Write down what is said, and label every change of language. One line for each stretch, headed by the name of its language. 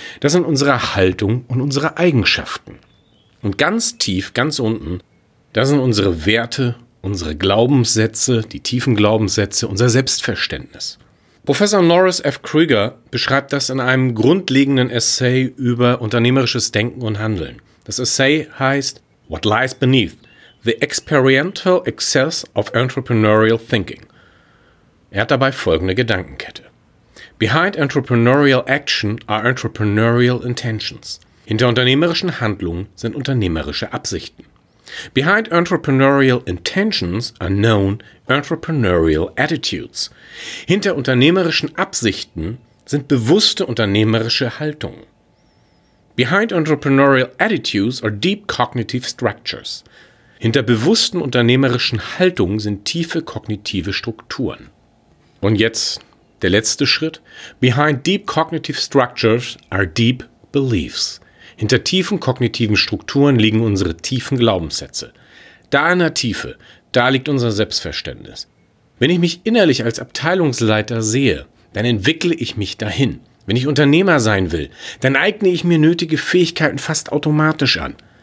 German: Das sind unsere Haltung und unsere Eigenschaften. Und ganz tief, ganz unten, das sind unsere Werte, unsere Glaubenssätze, die tiefen Glaubenssätze, unser Selbstverständnis. Professor Norris F. Krüger beschreibt das in einem grundlegenden Essay über unternehmerisches Denken und Handeln. Das Essay heißt What Lies Beneath?
English: The Experiential Excess of Entrepreneurial Thinking.
German: Er hat dabei folgende Gedankenkette.
English: Behind entrepreneurial action are entrepreneurial intentions.
German: Hinter unternehmerischen Handlungen sind unternehmerische Absichten.
English: Behind entrepreneurial intentions are known entrepreneurial attitudes.
German: Hinter unternehmerischen Absichten sind bewusste unternehmerische Haltungen.
English: Behind entrepreneurial attitudes are deep cognitive structures.
German: Hinter bewussten unternehmerischen Haltungen sind tiefe kognitive Strukturen. Und jetzt der letzte Schritt.
English: Behind deep cognitive structures are deep beliefs.
German: Hinter tiefen kognitiven Strukturen liegen unsere tiefen Glaubenssätze. Da in der Tiefe, da liegt unser Selbstverständnis. Wenn ich mich innerlich als Abteilungsleiter sehe, dann entwickle ich mich dahin. Wenn ich Unternehmer sein will, dann eigne ich mir nötige Fähigkeiten fast automatisch an.